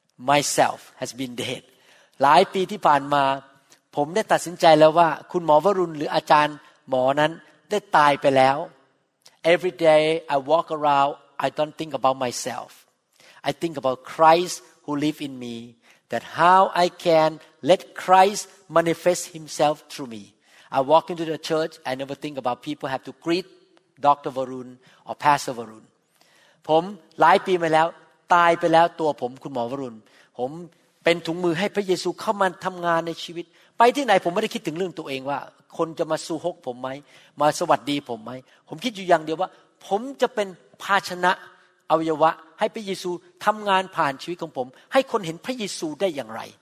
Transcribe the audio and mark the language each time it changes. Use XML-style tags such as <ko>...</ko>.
<en>myself has been dead</en> <th>หลายปีที่ผ่านมาผมได้ตัดสินใจแล้วว่าคุณหมอวรุณหรืออาจารย์หมอนั้นได้ตายไปแล้ว</th> <en>Every day I walk around I don't think about myselfI think about Christ who lives in me, that how I can let Christ manifest himself through me. I walk into the church, I never think about people have to greet Dr. Varun or Pastor Varun.</en> <th>ผมหลายปีมาแล้วตายไปแล้วตัวผมคุณหมอวรุณผมเป็นถุงมือให้พระเยซูเข้ามาทำงานในชีวิตไปที่ไหนผมไม่ได้คิดถึงเรื่องตัวเองว่าคนจะมาซูฮกผมไหมมาสวัสดีผมไหมผมคิดอยู่อย่างเดียวว่าผมจะเป็นภาชนะอวัยวะให้พระเยซูทำงานผ่านชีวิตของผมให้คนเห็นพระเยซูได้อย่างไร</th>